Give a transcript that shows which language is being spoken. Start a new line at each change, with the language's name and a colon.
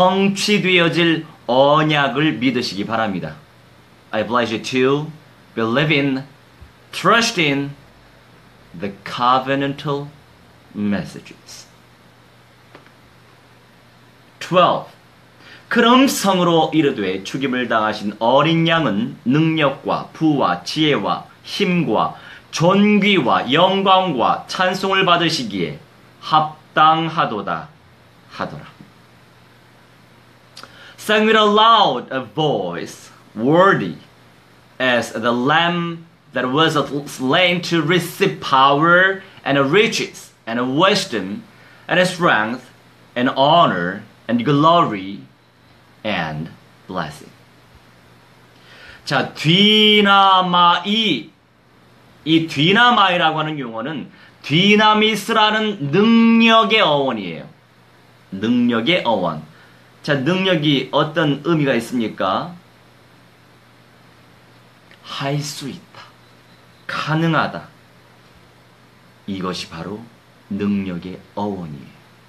Korean: 성취되어질 언약을 믿으시기 바랍니다.
English: I pledge to believe in, trust in the covenantal messages.
Korean: 12. 그럼성으로 이르되 죽임을 당하신 어린 양은 능력과 부와 지혜와 힘과 존귀와 영광과 찬송을 받으시기에 합당하도다 하더라.
English: Sang with a loud voice, worthy as the lamb that was slain to receive power and riches and wisdom and strength and honor and glory and blessing.
Korean: 자, 뒤나마이. 이 뒤나마이라고 하는 용어는 디나미스라는 능력의 어원이에요. 능력의 어원. 자, 능력이 어떤 의미가 있습니까? 할 수 있다. 가능하다. 이것이 바로 능력의 어원이에요.